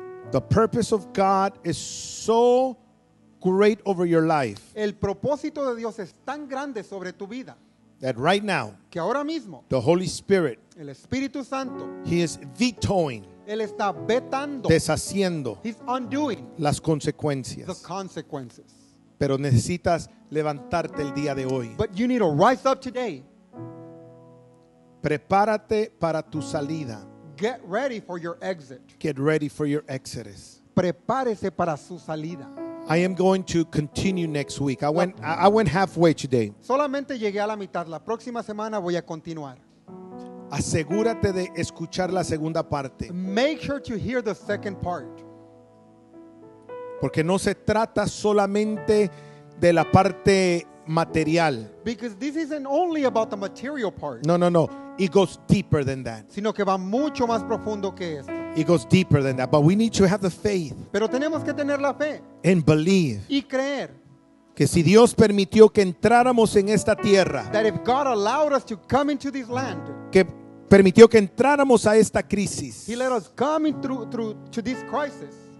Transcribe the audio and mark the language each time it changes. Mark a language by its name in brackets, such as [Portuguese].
[English] The purpose of God is so great over your life. [Spanish] El propósito de Dios es tan grande sobre tu vida. [English] That right now, [Spanish] que ahora mismo, [English] the Holy Spirit, [Spanish] el Espíritu Santo, [English] he is vetoing. [Spanish] Él está vetando. Deshaciendo. [English] He's undoing. [Spanish] Las consecuencias. [English] The consequences. [Spanish] Pero necesitas levantarte el día de hoy. [English] But you need to rise up today. [Spanish] Prepárate para tu salida. [English] Get ready for your exit. Get ready for your exodus. [Spanish] Prepárese para su salida. [English] I am going to continue next week. I went halfway today. [Spanish] Solamente llegué a la mitad. La próxima semana voy a continuar. Asegúrate de escuchar la segunda parte. [English] Make sure to hear the second part. [Spanish] Porque no se trata solamente de la parte material. [English] Because this isn't only about the material part. No. It goes deeper than that. [Spanish] Sino que va mucho más profundo que esto. [English] It goes deeper than that. But we need to have the faith. [Spanish] Pero tenemos que tener la fe. [English] And believe. [Spanish] Y creer. Que si Dios permitió que entráramos en esta tierra. [English] That if God allowed us to come into this land. [Spanish] Que permitió que entráramos a esta crisis. [English] He let us come through to this crisis.